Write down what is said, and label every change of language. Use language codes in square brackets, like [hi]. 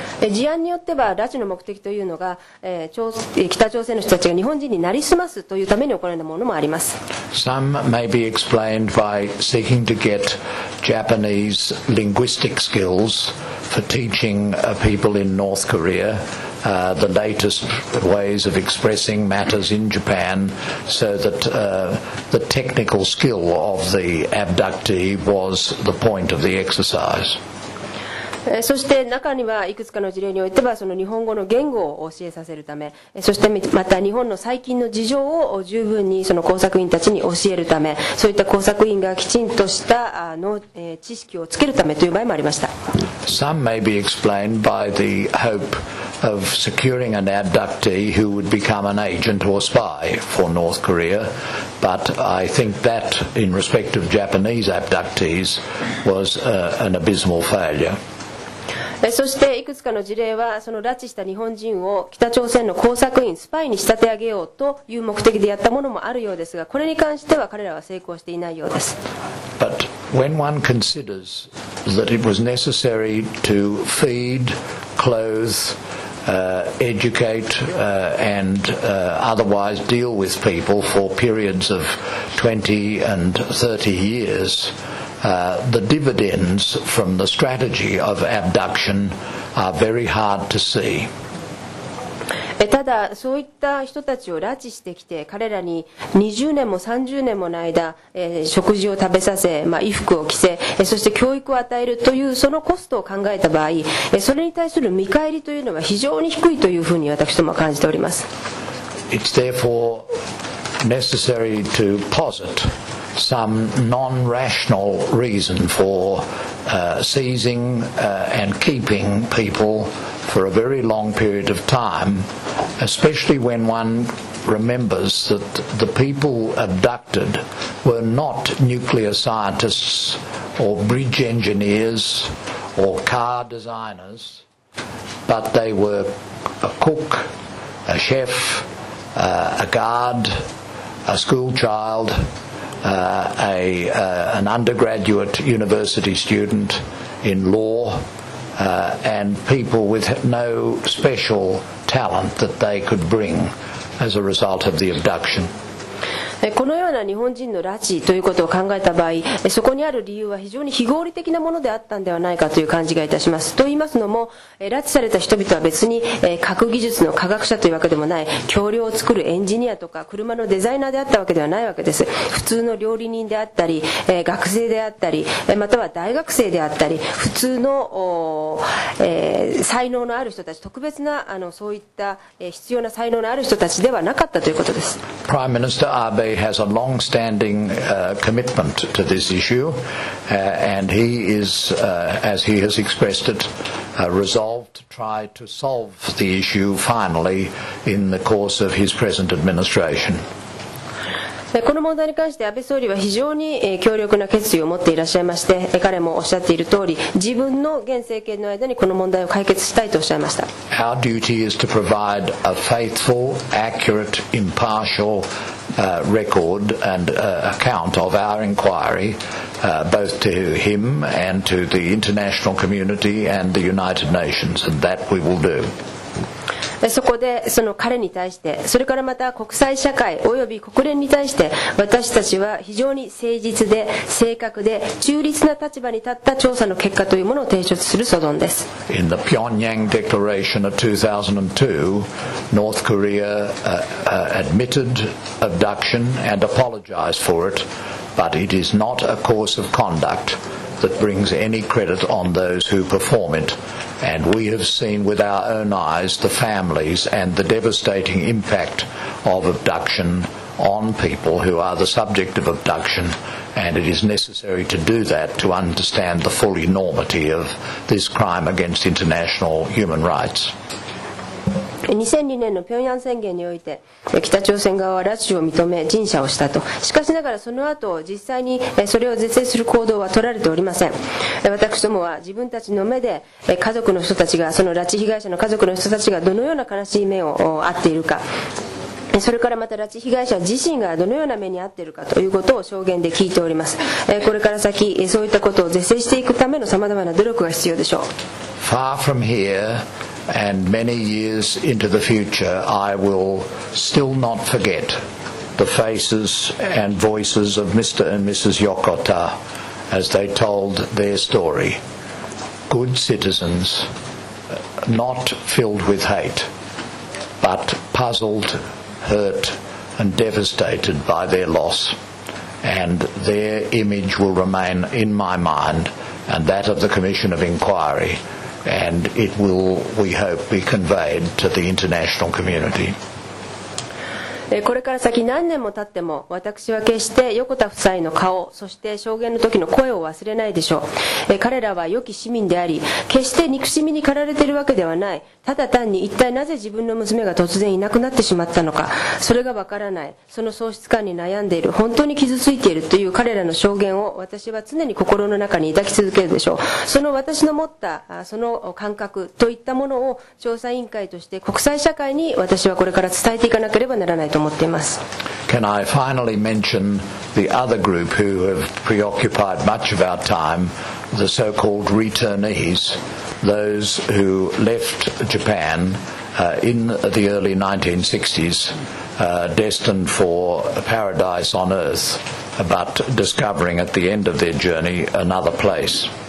[ja] 事案によっては拉致の目的というのが、北朝鮮の人たちが日本人になりすますというために行われたものもあります。 [en] Some may be explained by seeking to get Japanese linguistic skills for teaching people in North Korea the latest ways of expressing matters in Japan so that the technical skill of the abductee was the point of the exercise. [ja] そして中にはいくつかの事例においてはその日本語の言語を教えさせるため、そしてまた日本の最近の事情を十分にその工作員たちに教えるため、そういった工作員がきちんとしたの知識をつけるためという場合もありました。 [en] Some may be explained by the hope of securing an abductee who would become an agent or spy for North Korea, but I think that in respect of Japanese abductees was an abysmal failure. [ja] そしていくつかの事例はその拉致した日本人を北朝鮮の工作員スパイに仕立て上げようという目的でやったものもあるようですが、これに関しては彼らは成功していないようです。 [en] But when one considers that it was necessary to feed, clothe, educate, and otherwise deal with people for periods of 20 and 30 yearsthe dividends from the strategy of abduction are very hard to see. [ja] ただそういった人たちを拉致してきて彼らに20年も30年もの間、食事を食べさせ、まあ、衣服を着せ、そして教育を与えるというそのコストを考えた場合、それに対する見返りというのは非常に低いというふうに私どもは感じております。 [en] It's therefore necessary to posit some non-rational reason for seizing and keeping people for a very long period of time, especially when one remembers that the people abducted were not nuclear scientists or bridge engineers or car designers, but they were a cook, a chef, a guard, a school child,an undergraduate university student in law, and people with no special talent that they could bring as a result of the abduction. [ja] このような日本人の拉致ということを考えた場合、そこにある理由は非常に非合理的なものであったのではないかという感じがいたします。と言いますのも、拉致された人々は別に核技術の科学者というわけでもない、橋梁を作るエンジニアとか車のデザイナーであったわけではないわけです。普通の料理人であったり、学生であったり、または大学生であったり、普通の才能のある人たち、特別なそういった必要な才能のある人たちではなかったということです。 [en] Prime Minister AbeHas a long-standing commitment to this issue, and he is, as he has expressed it, resolved to try to solve the issue finally in the course of his present administration. [ja] この問題に関して安倍総理は非常に強力な決意を持っていらっしゃいまして、彼もおっしゃっている通り、自分の現政権の間にこの問題を解決したいとおっしゃいました。 [en] Our duty is to provide a faithful, accurate, impartial record and account of our inquiry, both to him and to the international community and the United Nations, and that we will do. [ja] そこでその彼に対して、それからまた国際社会および国連に対して、私たちは非常に誠実で正確で中立な立場に立った調査の結果というものを提出する所存です。 [en] In the Pyongyang Declaration of 2002, North Korea admitted abduction and apologized for it, but it is not a course of conduct that brings any credit on those who perform it. And we have seen with our own eyes the families and the devastating impact of abduction on people who are the subject of abduction, and it is necessary to do that to understand the full enormity of this crime against international human rights. [ja] 2002年の平壌宣言において北朝鮮側は拉致を認め陳謝をしたと。しかしながらその後実際にそれを是正する行動は取られておりません。私どもは自分たちの目で家族の人たちが、その拉致被害者の家族の人たちがどのような悲しい目を遭っているか、それからまた拉致被害者自身がどのような目に遭っているかということを証言で聞いております。これから先そういったことを是正していくためのさまざまな努力が必要でしょう。 [en] Far from hereAnd many years into the future, I will still not forget the faces and voices of Mr. and Mrs. Yokota as they told their story. Good citizens, not filled with hate, but puzzled, hurt, and devastated by their loss. And their image will remain in my mind and that of the Commission of Inquiry. And it will, we hope, be conveyed to the international community. [ja] これから先何年も経っても、私は決して横田夫妻の顔、そして証言の時の声を忘れないでしょう。彼らは良き市民であり、決して憎しみに駆られているわけではない。ただ単に一体なぜ自分の娘が突然いなくなってしまったのか、それがわからない。その喪失感に悩んでいる、本当に傷ついているという彼らの証言を私は常に心の中に抱き続けるでしょう。その私の持ったその感覚といったものを調査委員会として国際社会に私はこれから伝えていかなければならないと思っています。 [en] Can I finally mention the other group who have preoccupied much of our time, the so-called returnees, those who left Japan in the early 1960s, destined for paradise on earth, but discovering at the end of their journey another place?